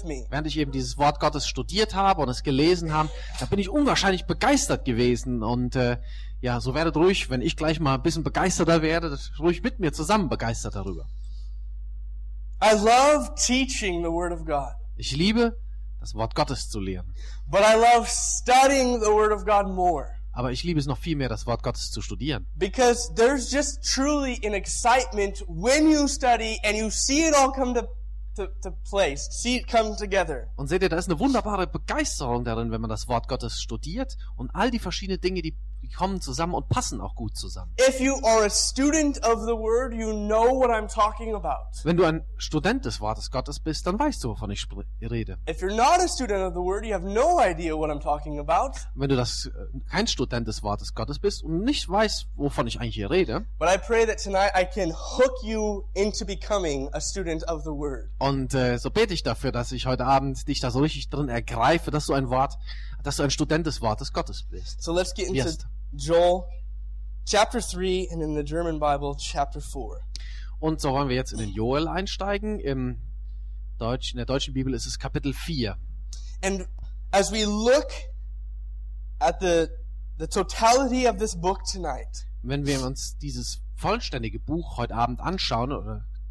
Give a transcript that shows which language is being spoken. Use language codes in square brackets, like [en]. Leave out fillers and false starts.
[de] Während ich eben dieses Wort Gottes studiert habe und es gelesen habe, da bin ich unwahrscheinlich begeistert gewesen. Und ja, so werdet ruhig, wenn ich gleich mal ein bisschen begeisterter werde, ruhig mit mir zusammen begeistert darüber. [en] I love teaching the word of God. [de] Ich liebe, das Wort Gottes zu lehren. [en] But I love studying the word of God more. [de] Aber ich liebe es noch viel mehr, das Wort Gottes zu studieren. [en] Because there's just truly an excitement when you study and you see it all come to place, see it come together. [de] Und seht ihr, da ist eine wunderbare Begeisterung darin, wenn man das Wort Gottes studiert und all die verschiedenen Dinge, die kommen zusammen und passen auch gut zusammen. [en] If you are a student of the word, you know what I'm talking about. [de] Wenn du ein Student des Wortes Gottes bist, dann weißt du, wovon ich rede. [en] If you're not a student of the word, you have no idea what I'm talking about. [de] Wenn du kein Student des Wortes Gottes bist und nicht weißt, wovon ich eigentlich hier rede. [en] But I pray that tonight I can hook you into becoming a student of the word. [de] Und so bete ich dafür, dass ich heute Abend dich da so richtig drin ergreife, dass du ein Student des Wortes Gottes bist. [en] So let's get into Joel chapter 3 and in the German Bible chapter 4. [de] Und so wollen wir jetzt in den Joel einsteigen. In der deutschen Bibel ist es Kapitel 4. [en] And as we look at the totality of this book tonight. [de] Wenn wir uns dieses vollständige Buch heute Abend anschauen oder